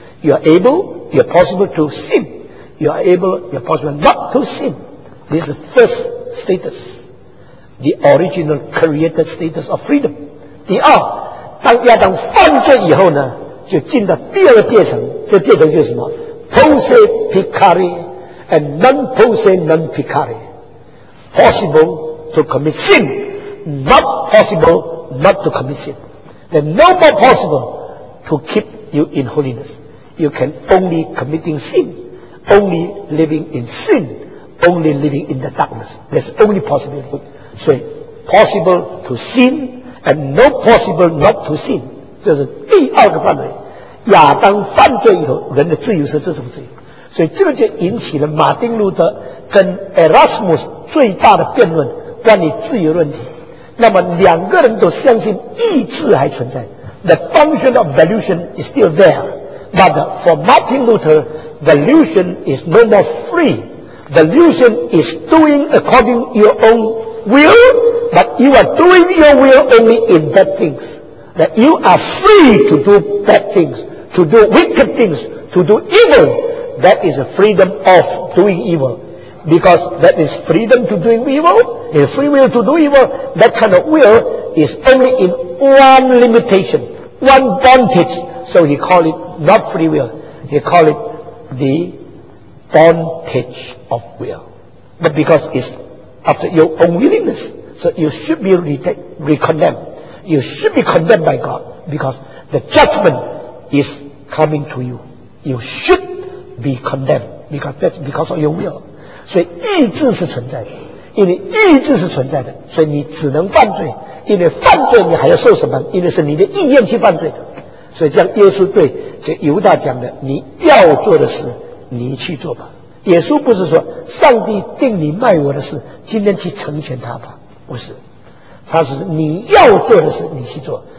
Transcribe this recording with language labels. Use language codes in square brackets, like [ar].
[en] You are able, you are possible to sin. You are able, you are possible not to sin. This is the first status, the original created status of freedom. [zh] 第二，当亚当犯罪以后呢，就进到第二阶层。这阶层就是什么 [la] ？Posse peccari and non posse non peccari. [en] Possible to commit sin, not possible not to commit sin. Then no more possible to keep you in holiness. You can only committing sin, only living in sin. Only living in the darkness. That's only possibility. So, possible to sin and no possible not to sin. [zh] 这是第二个范围。亚当犯罪以后，人的自由是这种自由。所以这个就引起了马丁路德跟 Erasmus 最大的辩论，关于自由论题。那么两个人都相信意志还存在。 [en] The function of volition is still there. But for Martin Luther, volition is no more free. Volition is doing according your own will, but you are doing your will only in bad things. That you are free to do bad things, to do wicked things, to do evil. That is a freedom of doing evil. Because that is freedom to do evil, a free will to do evil, that kind of will is only in one limitation, one bondage. So he called it not free will, he called it the... bondage of will. But because it's after your own willingness, so you should be recondemned. You should be condemned by God because the judgment is coming to you. You should be condemned because that's because of your will. [zh] 所以意志是存在的，因为意志是存在的，所以你只能犯罪，因为犯罪你还要受审判，因为是你的意愿去犯罪的。所以这样耶稣对这犹大讲的，你要做的事你去做吧。耶稣不是说上帝定你卖我的事今天去成全他吧，不是，他是你要做的事你去做。